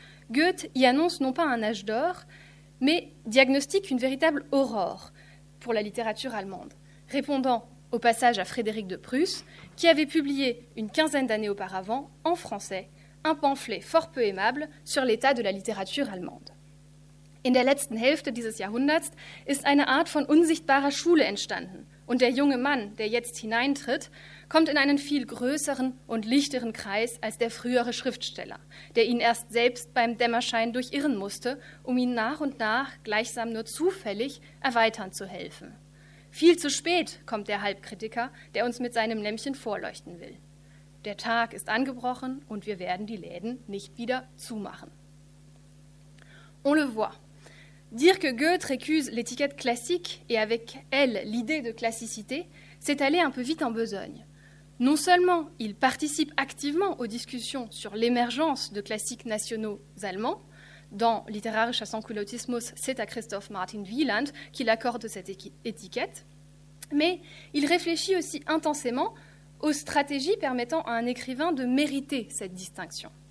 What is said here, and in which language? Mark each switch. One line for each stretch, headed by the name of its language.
French: Goethe y annonce non pas un âge d'or, mais diagnostique une véritable aurore pour la littérature allemande. répondant au passage à Frédéric de Prusse, qui avait publié une quinzaine d'années auparavant, en français, un pamphlet fort peu aimable sur l'état de la littérature allemande.
German: In der letzten Hälfte dieses Jahrhunderts ist eine Art von unsichtbarer Schule entstanden und der junge Mann, der jetzt hineintritt, kommt in einen viel größeren und lichteren Kreis als der frühere Schriftsteller, der ihn erst selbst beim Dämmerschein durchirren musste, um ihn nach und nach gleichsam nur zufällig erweitern zu helfen. Viel zu spät kommt der Halbkritiker, der uns mit seinem Lämpchen vorleuchten will. Der Tag ist angebrochen und wir werden die Läden nicht wieder zumachen.
French: On le voit. Dire que Goethe récuse l'étiquette classique et avec elle l'idée de classicité, c'est aller un peu vite en besogne. Non seulement il participe activement aux discussions sur l'émergence de classiques nationaux allemands, dans Literarischer Sansculottismus, c'est à Christoph Martin Wieland qu'il accorde cette étiquette, mais il réfléchit aussi intensément aux stratégies permettant à un écrivain de mériter cette distinction.